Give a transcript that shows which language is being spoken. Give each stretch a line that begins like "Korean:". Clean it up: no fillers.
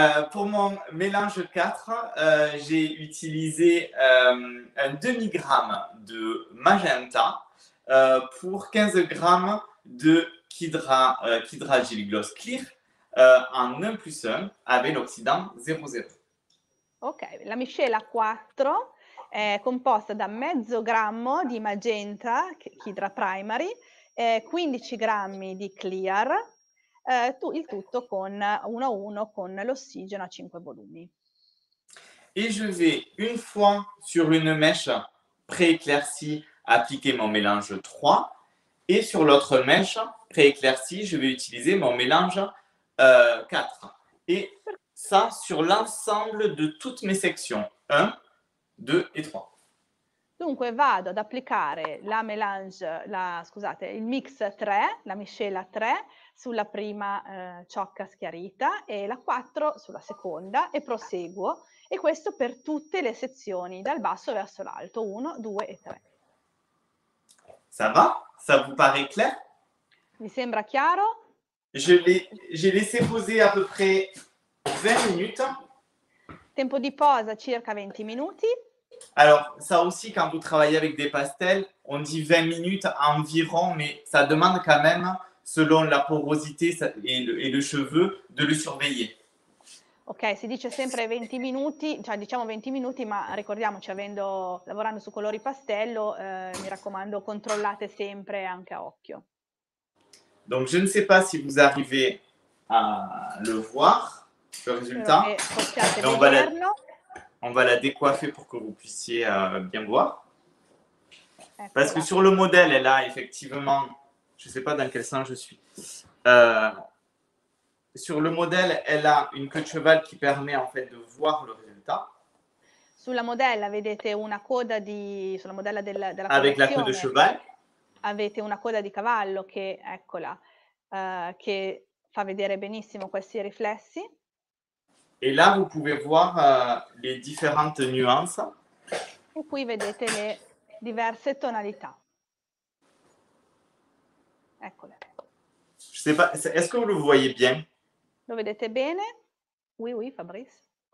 French: Pour mon mélange 4, j'ai utilisé un demi-gramme de magenta pour 15 grammes de Kidra Gel Gloss Clear en 1 plus 1 avec l'oxydant 0,0.
Italian: Ok, la miscela 4 è composta da mezzo grammo di magenta, Kidra Primary, 15 grammi di Clear. Il tutto con 1-1 con l'ossigeno a 5 volumi.
French: Et je vais une fois sur une mèche pré-éclaircie appliquer mon mélange 3 et sur l'autre mèche pré-éclaircie je vais utiliser mon mélange 4. Et ça sur l'ensemble de toutes mes sections 1, 2 et 3.
Italian: Dunque vado ad applicare la mélange, il mix 3, la miscela 3 sulla prima ciocca schiarita e la 4 sulla seconda e proseguo. E questo per tutte le sezioni, dal basso verso l'alto, 1, 2 e 3.
French: Ça va? Ça vous paraît clair?
Italian: Mi sembra chiaro?
French: J'ai laissé poser à peu près 20 minutes.
Italian: Tempo di posa circa 20 minuti.
French: Alors, ça aussi, quand vous travaillez avec des pastels, on dit 20 minutes environ, mais ça demande quand même, selon la porosité et le cheveu, de le surveiller.
Italian: Ok, si dice sempre 20 minuti, cioè diciamo 20 minuti, ma ricordiamoci, lavorando su colori pastello, mi raccomando, controllate sempre anche a occhio.
French: Donc, je ne sais pas si vous arrivez à le voir, le risultat. Donc,
Italian: vederlo.
French: On va la décoiffer pour que vous puissiez bien voir. Parce que sur le modèle, elle a effectivement, je ne sais pas dans quel sens je suis. Sur le modèle, elle a une queue de cheval qui permet en fait de voir le résultat.
Italian: Sulla modella vedete una coda di, sulla modella della collezione.
French: Avec la queue de cheval.
Italian: Avete una coda di cavallo che, eccola, che fa vedere benissimo questi riflessi.
French: Et là, vous pouvez voir les différentes nuances.
Italian: E qui vedete le diverse tonalità. Eccole.
French: Je sais pas, est-ce que vous le voyez bien?
Italian: Lo vedete bene?
French: Oui, oui,
Italian: Fabrice.